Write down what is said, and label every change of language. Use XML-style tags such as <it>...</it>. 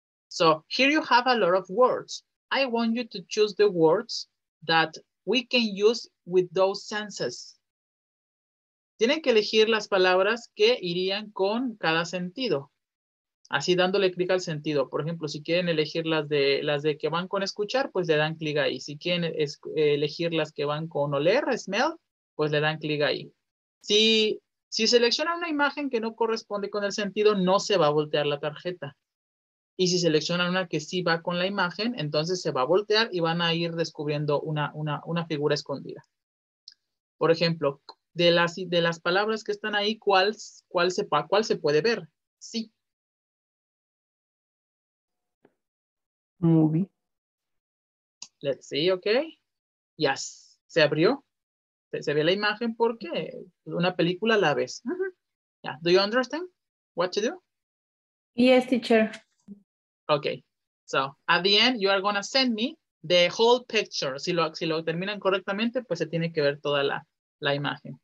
<en>So here you have a lot of words. I want you to choose the words that we can use with those senses.</en> <es>Tienen que elegir las palabras que irían con cada sentido. así dándole clic al sentido. Por ejemplo, si quieren elegir las de que van con escuchar, pues le dan clic ahí. Si quieren elegir las que van con oler, smell, pues le dan clic ahí. Si selecciona una imagen que no corresponde con el sentido, no se va a voltear la tarjeta. Y si selecciona una que sí va con la imagen, entonces se va a voltear y van a ir descubriendo una figura escondida. Por ejemplo, de las palabras que están ahí, ¿cuál se puede ver? Sí.</es> <en>Movie. Let's see, ok. Yes,</en> <es>se abrió. Se ve la imagen porque una película la ves.</es> <en>Uh-huh. Yeah. Do you understand what to do? Yes, teacher. Okay. So, at the end, you are going to send me the whole picture.</en> <es>Si lo terminan correctamente, pues se tiene que ver toda la imagen.</es>